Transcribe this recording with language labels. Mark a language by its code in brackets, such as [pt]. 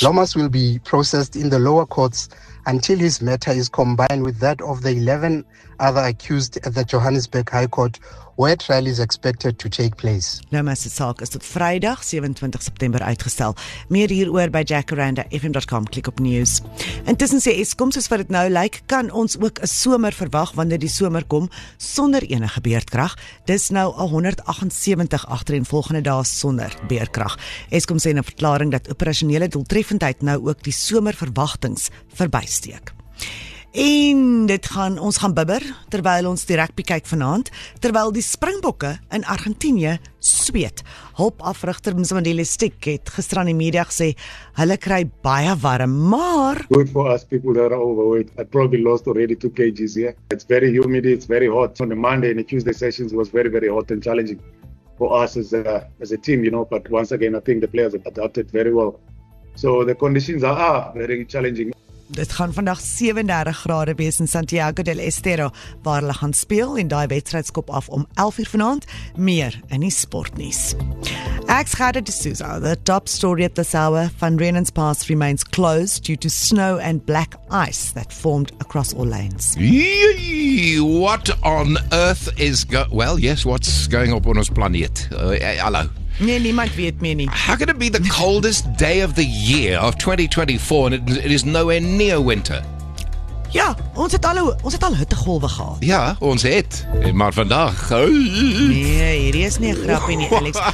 [en] Lomas will be processed in the lower courts until his matter is combined with that of the 11 other accused at the Johannesburg High Court, where trial is expected to take place. [af] Lomas' saak is tot Vrydag, 27 September, uitgestel. Meer hieroor by jackaranda.fm.com. Klik op news. Intussen sê Eskom, soos wat het nou lyk, kan ons ook 'n somer verwag wanneer die somer kom, sonder enige beerdkrag. Dis nou al 178 agter en volgende dae sonder beerdkrag. Eskom sê in 'n verklaring dat operasionele doeltreffendheid nou ook die somerverwagtings verbysteek. En dit gaan, ons gaan bibber terwyl ons die rugby kyk vanaand, terwyl die Springbokke in Argentinië sweet. Hulpafrigter Mzimandile Stik het gister aan die media gesê, hulle kry baie warm, maar... [en] Good for us people that are overweight. I probably lost already 2 kgs here. Yeah? It's very humid, it's very hot. On the Monday and the Tuesday sessions was very, very hot and challenging for us as a team, you know. But once again, I think the players have adapted very well. So the conditions are very challenging. [af] Dit gaan vandag 37 grade wees in Santiago del Estero, waar hulle gaan speel en daai wedstryd skop af om 11 uur vanaand. Meer in die sportnuus. Ek's Gerda de Souza. [en] The top story at this hour, Van Reenen's Pass remains closed due to snow and black ice that formed across all lanes. What on earth is what's going up on [af] ons planeet? Hallo. Nee, niemand weet meer nie. [en] How can it be the coldest day of the year of 2024 and it is nowhere near winter? [af] Ja, ons het al hittegolwe gehad. Ja, ons het. Maar vandag... Nee, hier is nie 'n grapie nie, Alex.